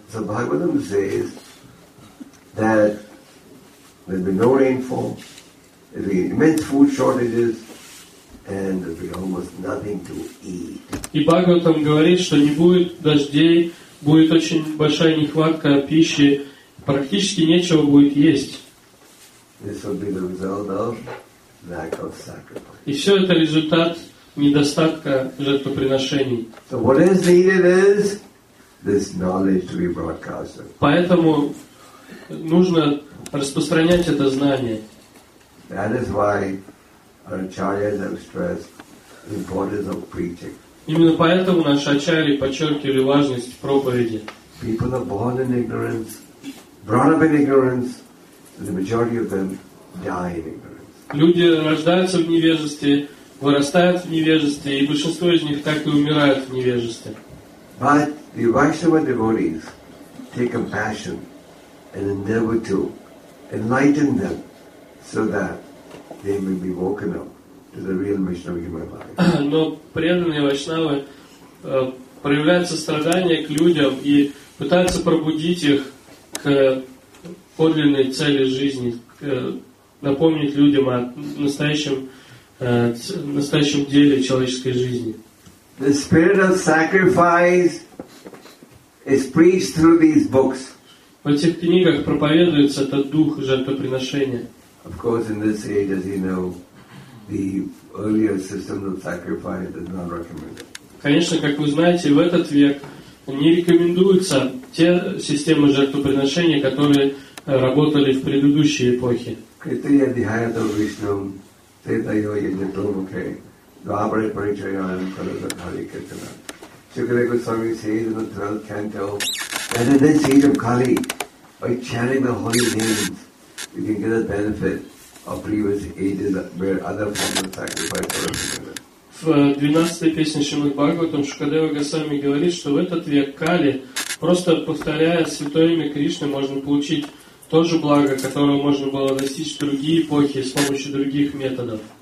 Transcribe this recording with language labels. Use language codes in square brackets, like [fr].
[en] So Bhagavatam says that there will be no rainfall, there will be immense food shortages, and there will be almost nothing to eat. [ru] И Бхагаватам говорит, что не будет дождей, будет очень большая нехватка пищи, практически нечего будет есть. [en] This will be the result of lack of sacrifice. [ru] И все это результат недостатка жертвоприношений. [en] So what is needed is this knowledge to be broadcasted. [ru] Поэтому нужно распространять это знание. [en] That is why our acharyas have stressed the importance of preaching. [ru] Именно поэтому наши ачарьи подчеркивали важность проповеди. [en] People are born in ignorance, brought up in ignorance, and the majority of them die in ignorance. [ru] Люди рождаются в невежестве, вырастают в невежестве, и большинство из них так и умирают в невежестве. [en] But the Vaishnava devotees take compassion and endeavor to enlighten them so that they may be woken up to the real mission of human life. [ru] Но преданные вайшнавы проявляют сострадание к людям и пытаются пробудить их к подлинной цели жизни, к напомнить людям о настоящем деле человеческой жизни. [en] The spirit of sacrifice is preached through these books. [ru] В этих книгах проповедуется этот дух жертвоприношения. [en] Of course, in this age, as you know, the earlier system of sacrifice is not recommended. [ru] Конечно, как вы знаете, в этот век не рекомендуются те системы жертвоприношения, которые работали в предыдущие эпохи. [sa] Kṛtriya dihayata viṣṇam teta yo yajna tomukhe dvāpare parichayāyam kalata kāli kirtana. [en] Śukadeva Goswami says in the 12th canto that in this age of Kali, by chanting the holy names, you can get the benefit of previous ages where other forms of sacrifice were given. [ru] В 12-й песне Шримад Бхагаватам Шукадева Госвами говорит, что в этот век Кали, просто повторяя святое имя Кришны, можно получить то же благо, которое можно было достичь в другие эпохи с помощью других методов.